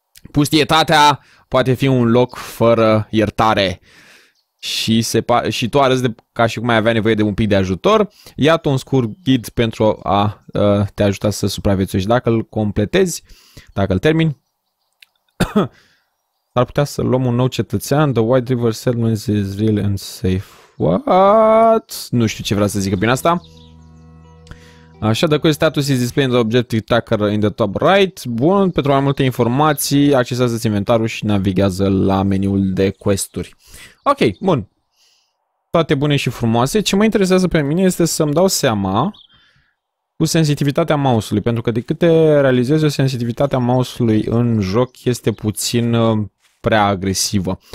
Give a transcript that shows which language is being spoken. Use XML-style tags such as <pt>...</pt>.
<ro>Pustietatea poate fi un loc fără iertare și, și tu arăți de, ca și cum ai avea nevoie de un pic de ajutor. Iată un scurt ghid pentru a te ajuta să supraviețuiești. Dacă îl completezi, dacă îl termini, ar putea să luăm un nou cetățean.</ro> <en>The White River Settlement is real and safe. What?</en> <ro>Nu știu ce vrea să zică prin asta. Așa, dacă este</ro> <en>status is displayed the objective tracker in the top right.</en> <ro>Bun, pentru mai multe informații, accesează-ți inventarul și navighează la meniul de questuri. Ok, bun. Toate bune și frumoase. Ce mă interesează pe mine este să-mi dau seama cu sensibilitatea mouse-ului, pentru că de câte realizez eu, sensibilitatea mouse-ului în joc este puțin prea agresivă.</ro>